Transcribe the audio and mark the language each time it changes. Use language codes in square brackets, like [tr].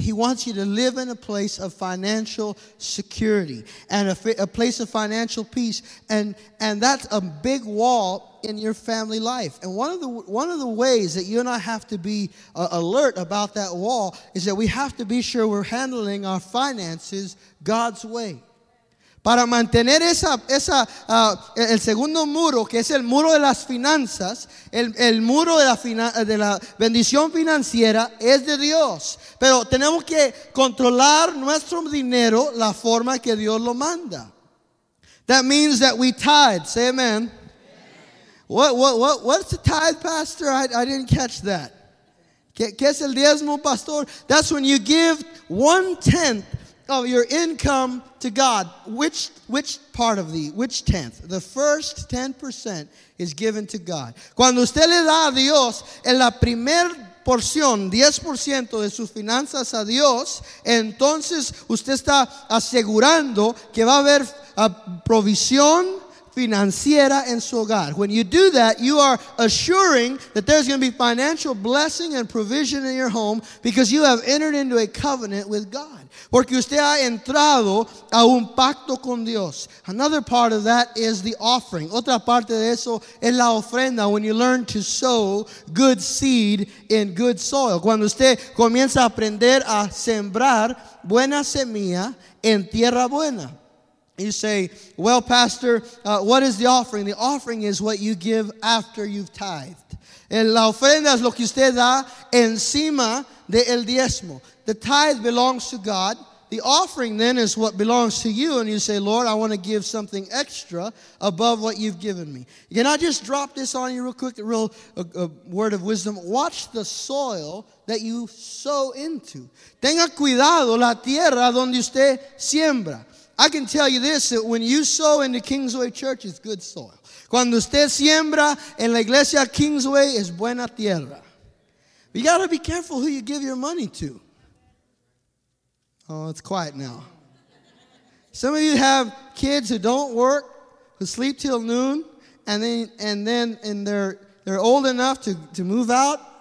[en] He wants you to live in a place of financial security and a place of financial peace. And that's a big wall in your family life. And one of the ways that you and I have to be alert about that wall is that we have to be sure we're handling our finances God's way. [es] Para mantener el segundo muro, que es el muro de las finanzas, el muro de la bendición financiera es de Dios. Pero tenemos que controlar nuestro dinero la forma que Dios lo manda. [en] That means that we tithe. Say amen. What's a tithe, Pastor? I didn't catch that. [es] ¿Qué es el diezmo, Pastor? [en] That's when you give one-tenth of your income to God. Which part of the, which tenth? The first 10% is given to God. [es] Cuando usted le da a Dios en la primera porción, 10% de sus finanzas a Dios, entonces usted está asegurando que va a haber provisión financiera en su hogar. [en] When you do that, you are assuring that there's going to be financial blessing and provision in your home because you have entered into a covenant with God. [es] Porque usted ha entrado a un pacto con Dios. [en] Another part of that is the offering. [es] Otra parte de eso es la ofrenda. [en] When you learn to sow good seed in good soil. [es] Cuando usted comienza a aprender a sembrar buena semilla en tierra buena. [en] You say, well, Pastor, what is the offering? The offering is what you give after you've tithed. [es] La ofrenda es lo que usted da encima de el diezmo. [en] The tithe belongs to God. The offering then is what belongs to you. And you say, Lord, I want to give something extra above what you've given me. Can I just drop this on you real quick, a word of wisdom? Watch the soil that you sow into. [es] Tenga cuidado la tierra donde usted siembra. [en] I can tell you this, that when you sow in the Kingsway Church, it's good soil. [es] Cuando usted siembra en la iglesia Kingsway, es buena tierra. [en] You got to be careful who you give your money to. Oh, it's quiet now. Some of you have kids who don't work, who sleep till noon, and they're old enough to move out.